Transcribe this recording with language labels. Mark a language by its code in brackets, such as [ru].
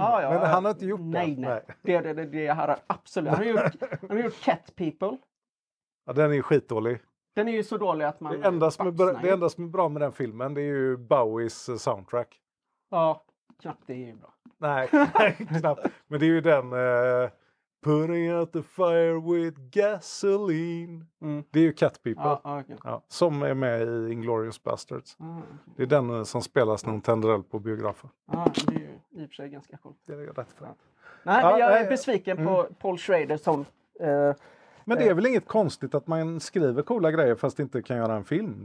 [sv] Ja, men han har inte gjort den. Nej. Det har han absolut. Han har gjort Cat People. Ja, den är ju skitdålig. Den är ju så dålig att man... Det enda som är bra med den filmen, det är ju Bowies soundtrack. Ja, knappt, det är ju bra. Nej, knappt. Men det är ju den... [en] Putting out the fire with gasoline. Mm. [sv] Det är ju Cat People. Ja, okay. Ja, som är med i Inglourious Basterds. Mm, okay. Det är den som spelas när hon tänder eld på biografen. Ja, det är ju i och för sig ganska coolt. Det är jag rätt för. Nej, jag är besviken på Paul Schrader som... Men det är väl inget konstigt att man skriver coola grejer fast inte kan göra en film.